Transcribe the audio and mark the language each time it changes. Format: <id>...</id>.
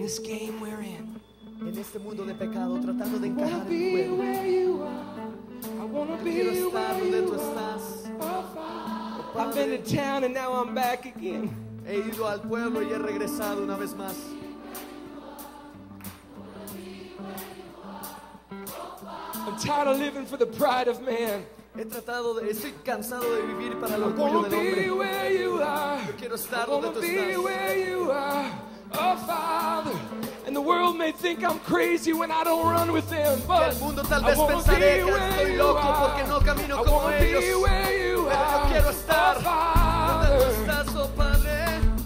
<es>En este mundo de pecado, tratando de encajar en el juego.</es> <en>I wanna be where you are. I wanna be where you are. Oh, I've been to town and now I'm back again.</en> <es>He ido al pueblo y he regresado una vez más.</es> <en>I'm tired of living for the pride of man.</en> <es>Estoy cansado de vivir para el orgullo del hombre.</es> <en>I wanna be where you are.</en> <es>Quiero estar donde tú estás.</es> <en>I wanna be where you are. Oh Father, and the world may think I'm crazy when I don't run with them, but</en> <es>el mundo tal vez pensaré que estoy loco porque no camino como ellos.</es> <en>I wanna be where you are.</en> <es>Pero yo quiero estar donde tú estás, oh Padre.</es>